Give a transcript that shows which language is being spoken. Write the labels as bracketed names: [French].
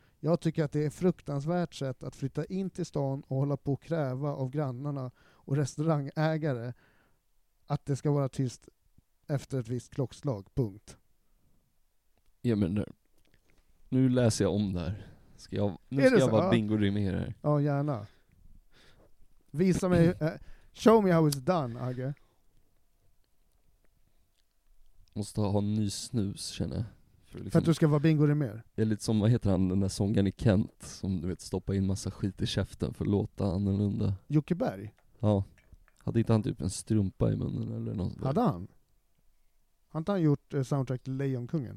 [Swedish] Jag tycker att det är fruktansvärt sätt att flytta in till stan och hålla på och kräva av grannarna och restaurangägare att det ska vara tyst efter ett visst klockslag. Punkt. Ja, men nu läser jag om det här. Ska jag vara Bingo Rimer här. Ja, gärna. Visa mig... [English] Show me how it's done, Agge. [Swedish] Måste ha en ny snus, känner jag. För att du ska vara Bingo Rimer. Det är lite som, vad heter han, den där sångaren i Kent som du vet, stoppa in massa skit i käften för att låta annorlunda. Jocke Berg? Ja. Hade inte han typ en strumpa i munnen eller något sådär? Hade han? Har inte han gjort soundtrack till Lejonkungen?